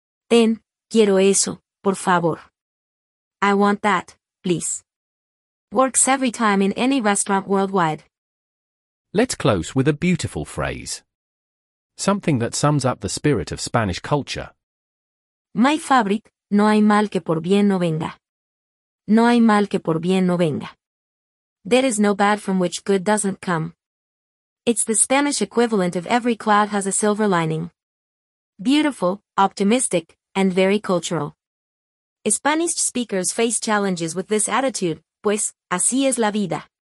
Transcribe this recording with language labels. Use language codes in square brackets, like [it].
[es] Ten, quiero eso, por favor. [en] I want that, please. Works every time in any restaurant worldwide. Let's close with a beautiful phrase. Something that sums up the spirit of Spanish culture. My favorite, [es] no hay mal que por bien no venga. No hay mal que por bien no venga. [en] There is no bad from which good doesn't come. It's the Spanish equivalent of every cloud has a silver lining. Beautiful, optimistic, and very cultural. Spanish speakers face challenges with this attitude, [es] pues, así es la vida.